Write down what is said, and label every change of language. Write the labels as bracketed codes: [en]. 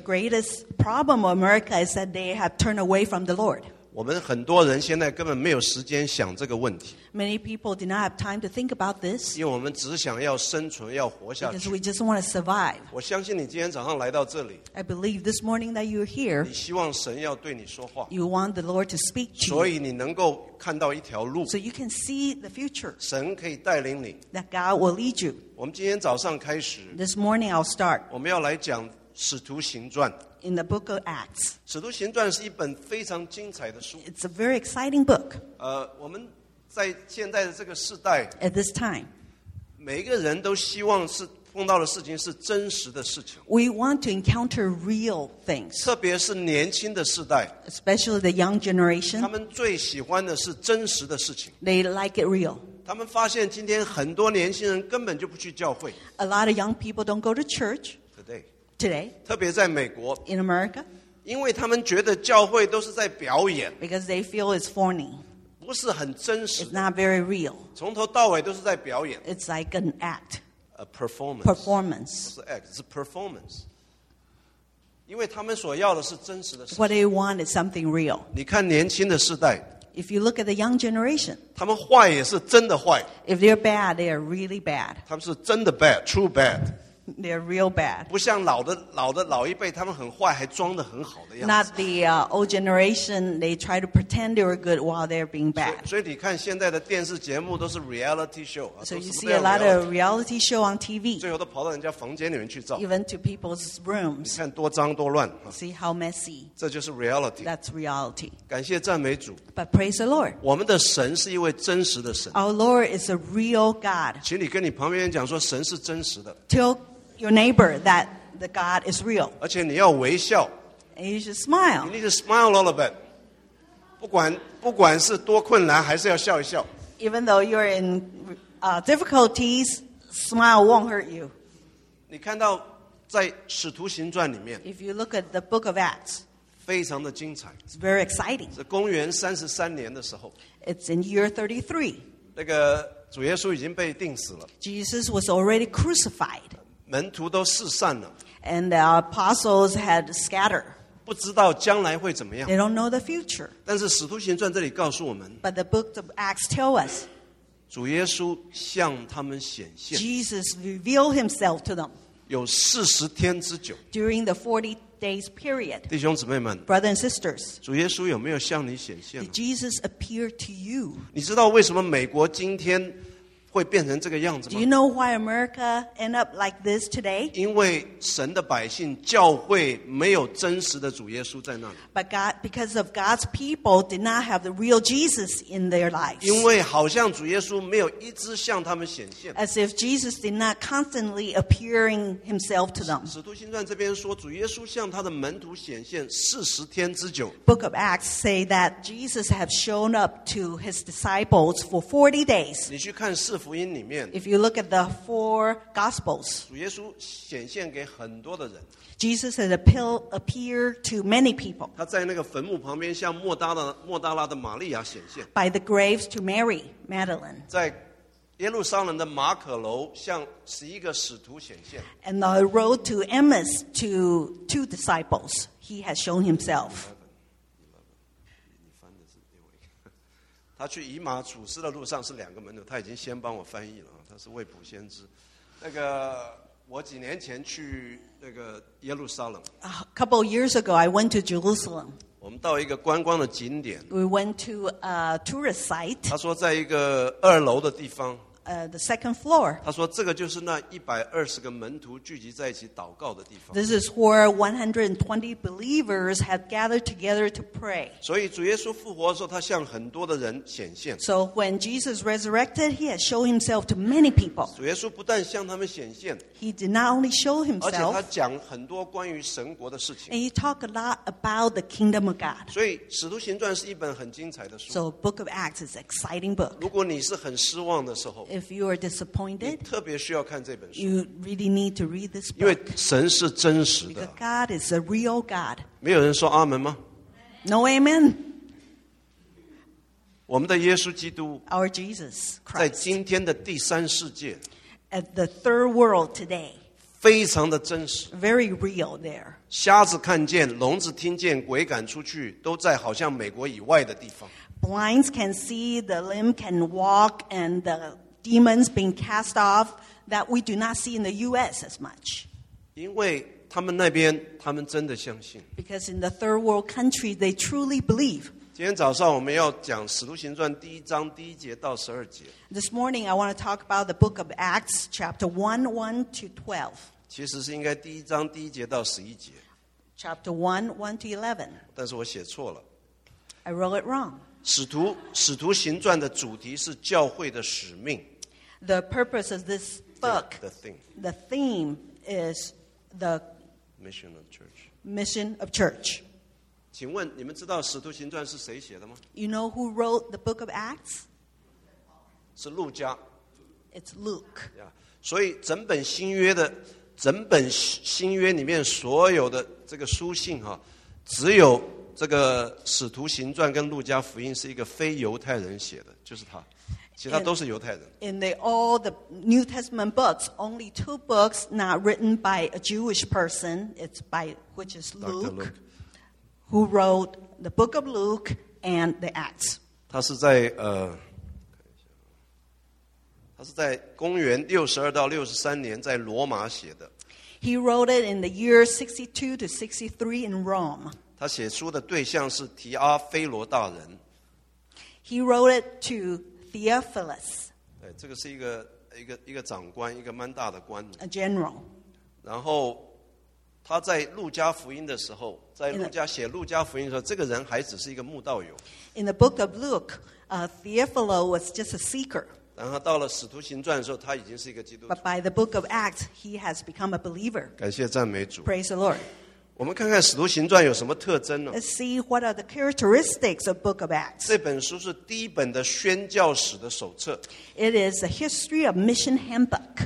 [en] The greatest problem of America is that they have turned away from the Lord. [zh] 我们很多人现在根本没有时间想这个问题。 [en] Many people do not have time to think about this. [zh] 因为我们只想要生存，要活下去。 [en] Because we just want to survive. [zh] 我相信你今天早上来到这里。 [en] I believe this morning that you're here. [zh] 你希望神要对你说话。 [en] You want the Lord to speak to you. [zh] 所以你能够看到一条路。 [en] So you can see the future. [zh] 神可以带领你。 [en] That God will lead you. [zh] 我们今天早上开始。 [en] This morning I'll start. [zh] 我们要来讲《使徒行传》。 [en] In the book of Acts. [zh] 使徒行传是一本非常精彩的书。 [en] It's a very exciting book. [zh] 我们在现在的这个时代。 [en] At this time. [zh] 每一个人都希望是碰到的事情是真实的事情。 [en] We want to encounter real things. [zh] 特别是年轻的时代。 [en] Especially the young generation. [zh] 他们最喜欢的是真实的事情。 [en] They like it real. [zh] 他们发现今天很多年轻人根本就不去教会。 [en] A lot of young people don't go to church. Today, [zh] 特别在美国 [en] in America, [zh] 因为他们觉得教会都是在表演 [en] because they feel it's phony, [zh] 不是很真实 [en] it's not very real, [zh] 从头到尾都是在表演 [en] it's like an act, a performance, performance, [zh] 不是 [en] act, it's a performance, [zh] 因为他们所要的是真实的事情 [en] what they want is something real, [zh] 你看年轻的世代 [en] if you look at the young generation, [zh] 他们坏也是真的坏 [en] if they're bad, they are really bad, [zh] 他们是真的 [en] bad, true bad, They're real bad. [zh] 不像老一辈，他们很坏，还装得很好的样子。 [en] Not the old generation. They try to pretend they were good while they're being bad. [zh] 所以你看现在的电视节目都是 [en] reality show. So you see a lot of reality show on TV. [zh] 最后都跑到人家房间里面去照。 [en] Even to people's rooms. [zh] 你看多脏多乱。 [en] See how messy. [zh] 这就是 reality. [en] That's reality. [zh] 感谢赞美主。 [en] But praise the Lord. [zh] 我们的神是一位真实的神。 [en] Our Lord is a real God. [zh] 请你跟你旁边人讲说，神是真实的。 [en] Your neighbor, that the God is real. [zh] 而且你要微笑。 [en] And you should smile. You need to smile a little bit. [zh] 不管是多困难，还是要笑一笑。 [en] Even though you're in difficulties, smile won't hurt you. [zh] 你看到在《使徒行传》里面。 [en] If you look at the book of Acts. [zh] 非常的精彩。 [en] It's very exciting. [zh] 是公元33年的时候。 [en] It's in year 33. [zh] 那个主耶稣已经被钉死了。 [en] Jesus was already crucified. [zh] 门徒都四散了 [en] and the apostles had scattered. [zh] 不知道将来会怎么样 [en] They don't know the future. [zh] 但是《使徒行传》这里告诉我们 [en] But the book of Acts tell us. [zh] 主耶稣向他们显现 [en] Jesus revealed himself to them. [zh] 有40天之久 [en] During the 40 days period. [zh] 弟兄姊妹们 [en] Brother and sisters. [zh] 主耶稣有没有向你显现 [en] Did Jesus appear to you? [zh] 你知道为什么美国今天会变成这个样子吗? [en] Do you know why America end up like this today? [zh] 因为神的百姓教会没有真实的主耶稣在那里。 [en] But God, because of God's people did not have the real Jesus in their lives. [zh] 因为好像主耶稣没有一直向他们显现。 [en] As if Jesus did not constantly appearing himself to them. [zh] 使徒行传这边说主耶稣向他的门徒显现40天之久。 [en] Book of Acts say that Jesus have shown up to his disciples for 40 days. [zh] 你去看四福音里面 [en] If you look at the four Gospels, [zh] 主耶稣显现给很多的人 [en] Jesus has appeared to many people. [zh] 他在那个坟墓旁边向莫大拉的玛利亚显现 [en] By the graves to Mary Magdalene. [zh] 在耶路撒冷的马可楼向11个使徒显现 [en] And the road to Emmaus to two disciples. He has shown himself. [zh] 他去以马主事的路上是两个门徒，他已经先帮我翻译了，他是未卜先知。那个我几年前去那个耶路撒冷。 [en] A couple years ago, I went to Jerusalem. [zh] 我们到一个观光的景点。 [en] We went to a tourist site. [zh] 他说在一个二楼的地方。 [en] The second floor. [zh] 他说这个就是那120个门徒聚集在一起祷告的地方。 [en] This is where 120 believers have gathered together to pray. [zh] 所以主耶稣复活的时候，他向很多的人显现。 [en] So when Jesus resurrected, he has shown himself to many people. [zh] 主耶稣不但向他们显现 [en] ，He did not only show himself. [zh] 而且他讲很多关于神国的事情。 [en] And he talked a lot about the kingdom of God. [zh] 所以《使徒行传》是一本很精彩的书。 [en] So Book of Acts is an exciting book. [zh] 如果你是很失望的时候。 [en] If you are disappointed, you really need to read this book. [zh] 因为神是真实的。 [en] Because God is a real God. [zh] 没有人说阿门吗? [en] No amen. [zh] 我们的耶稣基督 [en] Our Jesus Christ. [zh] 在今天的第三世界 [en] At the third world today. [zh] 非常的真实。 [en] Very real there. [zh] 瞎子看见，聋子听见，鬼赶出去，都在好像美国以外的地方。 [en] Blinds can see, the limb can walk, and the demons being cast off that we do not see in the U.S. as much. [zh] 因为他们那边，他们真的相信。 [en] Because in the third world country, they truly believe. [zh] 今天早上我们要讲《使徒行传》第一章第一节到十二节。 [en] This morning, I want to talk about the book of Acts, chapter 1, 1 to 12. [zh] 其实是应该第一章第一节到十一节。 [en] Chapter 1, 1 to 11. [zh] 但是我写错了。 [en] I wrote it wrong. [zh] 使徒行传的主题是教会的使命。 [en] The purpose of this book, the theme is... The mission of church. Mission of church. [zh] 请问你们知道《使徒行传》是谁写的吗 [en] ？You know who wrote the book of Acts? [zh] 是路加。 [en] It's Luke. Yeah. [zh] 所以整本新约的整本新约里面所有的这个书信哈，只有这个《使徒行传》跟《路加福音》是一个非犹太人写的，就是他。其他都是犹太人。 [en] In the, all the New Testament books, only two books not written by a Jewish person, it's by, which is Luke, who wrote the book of Luke and the Acts. [zh] 他是在他是在公元62到63年在罗马写的。 [en] He wrote it in the year 62 to 63 in Rome. [zh] 他写书的对象是提阿非罗大人。 [en] He wrote it to... Theophilus. [zh] 对，这个是一个长官，一个蛮大的官。 [en] A general. [zh] 然后他在路加福音的时候，在路加写路加福音的时候，这个人还只是一个慕道友。 [en] In the book of Luke, Theophilus was just a seeker. [zh] 然后到了使徒行传的时候，他已经是一个基督徒。 [en] But by the book of Acts, he has become a believer. [zh] 感谢赞美主。 [en] Praise the Lord. [zh] 我们看看使徒行传有什么特征呢 [en] Let's see what are the characteristics of Book of Acts. [zh] 这本书是第一本的宣教史的手册。 [en] It is a history of mission handbook.